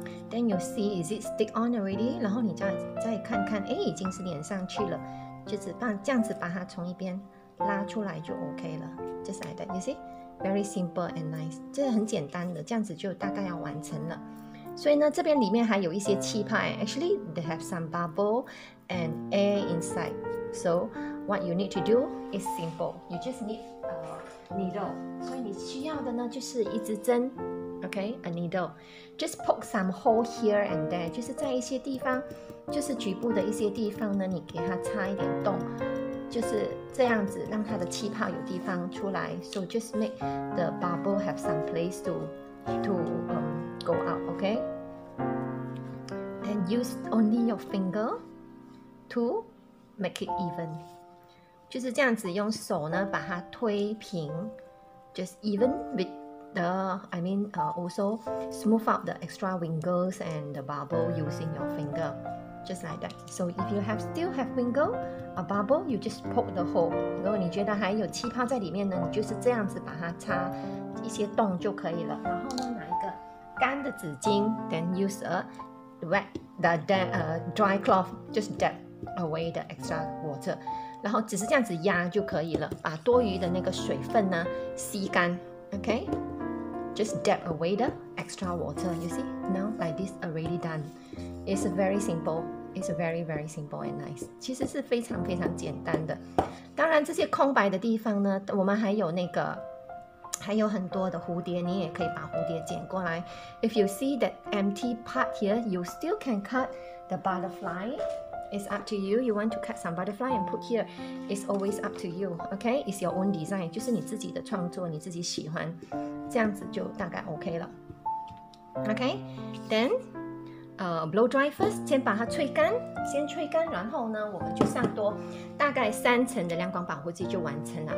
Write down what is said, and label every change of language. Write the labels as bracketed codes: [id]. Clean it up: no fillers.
[en] Then you see, is it stick on already? [zh] 然后你再看看，哎，已经是粘上去了，就是这样子把它从一边拉出来就 OK 了。 [en] Just like that, you see, very simple and nice. [zh] 这很简单的，这样子就大概要完成了。所以呢，这边里面还有一些气泡 ， [en] actually they have some bubble and air inside. So what you need to do is simple. You just need a needle. [zh] 所以你需要的呢，就是一支针。 [en] Okay, a needle. Just poke some hole here and there. [zh] 就是在一些地方，就是局部的一些地方呢，你给它插一点洞，就是这样子让它的气泡有地方出来。 [en] So just make the bubble have some place to go out. Okay. And use only your finger to make it even. [zh] 就是这样子用手呢把它推平， [en] just even with. Also smooth out the extra wrinkles and the bubble using your finger, just like that. So if you still have wrinkle, a bubble, you just poke the hole. [zh] 如果你觉得还有气泡在里面呢，你就是这样子把它插一些洞就可以了。然后呢，拿一个干的纸巾 [en] ，then use a wet the dry cloth, just dab away the extra water. [zh] 然后只是这样子压就可以了，把多余的那个水分呢吸干。 [en] Okay, just dab away the extra water. You see, now like this already done. It's very simple. It's very very simple and nice. [zh] 其实是非常非常简单的。当然，这些空白的地方呢，我们还有那个，还有很多的蝴蝶，你也可以把蝴蝶剪过来。 [en] If you see that empty part here, you still can cut the butterfly. It's up to you. You want to cut some butterfly and put here. It's always up to you. Okay, it's your own design. [zh] 就是你自己的创作，你自己喜欢，这样子就大概 OK 了。 [en] Okay, then, blow dry first. [zh] 先把它吹干，先吹干，然后呢，我们就上多大概三层的亮光保护剂就完成了。